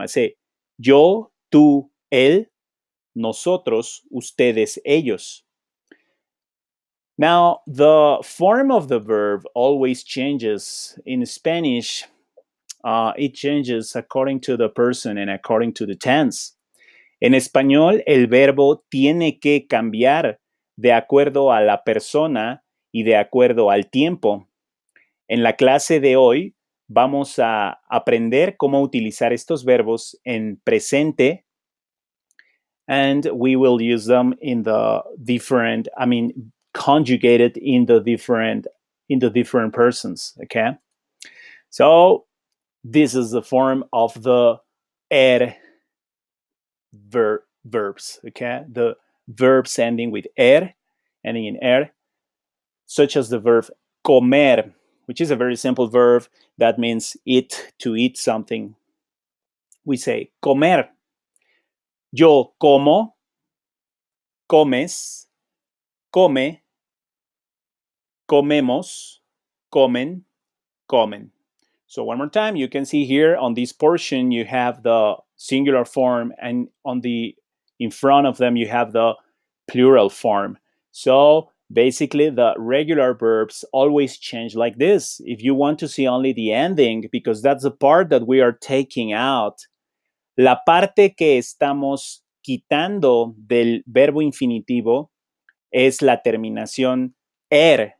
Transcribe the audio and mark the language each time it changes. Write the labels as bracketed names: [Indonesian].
[English] I say, yo, tú, él. Nosotros, ustedes, ellos. Now, the form of the verb always changes. In Spanish, it changes according to the person and according to the tense. [Spanish] En español, el verbo tiene que cambiar de acuerdo a la persona y de acuerdo al tiempo. En la clase de hoy, vamos a aprender cómo utilizar estos verbos en presente. [English] And we will use them in the different, I mean, conjugated in the different persons, okay? So this is the form of the ER verbs, okay? The verbs ending with ER, ending in ER, such as the verb comer, which is a very simple verb that means eat, to eat something. We say comer. Yo como, comes, come, comemos, comen, comen. So one more time, you can see here on this portion, you have the singular form and on the in front of them, you have the plural form. So basically, the regular verbs always change like this. If you want to see only the ending, because that's the part that we are taking out. [Spanish] La parte que estamos quitando del verbo infinitivo es la terminación ER.